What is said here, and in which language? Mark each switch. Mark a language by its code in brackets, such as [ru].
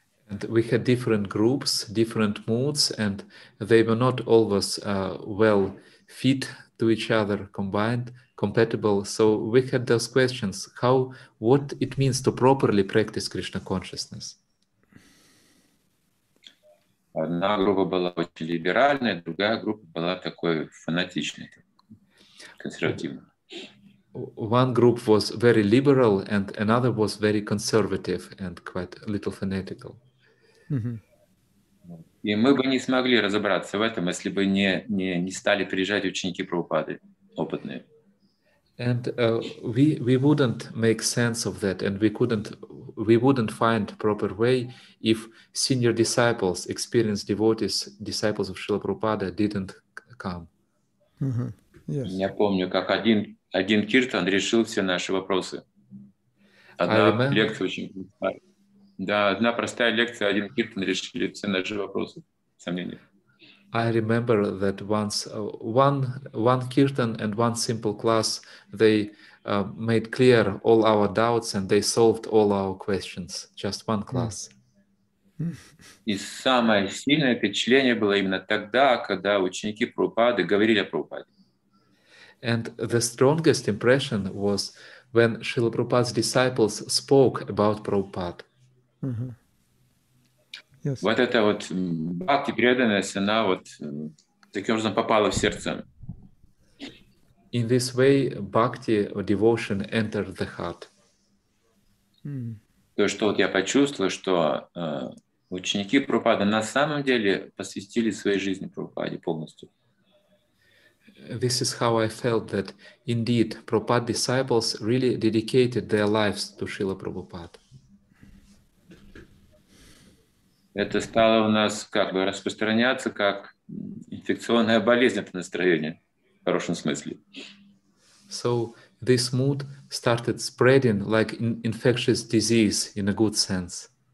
[en] And we had different groups, different moods, and they were not always well fit to each other, combined, compatible. So we had those questions, how, what it means to properly practice Krishna consciousness. [ru] Одна группа была очень либеральная, другая группа была такой фанатичной, консервативной. [en] One group was very liberal and another was very conservative and quite a little fanatical. [ru] И мы бы не смогли разобраться в этом, если бы не стали приезжать ученики Прабхупады, опытные. [en] And we wouldn't make sense of that, and we wouldn't find proper way if senior disciples, experienced devotees, disciples of Srila Prabhupada didn't come. Mm-hmm. Yes. [ru] Я помню, как один киртан решил все наши вопросы. Одна простая лекция, один киртан решили все наши вопросы. Сомнения. [en] I remember that once one kirtan and one simple class, they made clear all our doubts and they solved all our questions. Just one class. [ru] И самое сильное впечатление было именно тогда, когда ученики Прабхупады говорили о Прабхупаде. [en] And the strongest impression was when Srila Prabhupada's disciples spoke about Prabhupada. Mm-hmm. Yes. [ru] Вот эта вот бхакти преданность, она вот таким образом попала в сердце. [en] In this way, bhakti, devotion entered the heart. [ru] То, что вот я почувствовал, что ученики Прабхупады на самом деле посвятили своей жизни Прабхупаде полностью. [en] This is how I felt that indeed Prabhupada disciples really dedicated their lives to Srila Prabhupada. [ru] Это стало у нас как бы распространяться как инфекционная болезнь, это настроение, в хорошем смысле. [en] So this mood started spreading like an infectious disease in a good sense.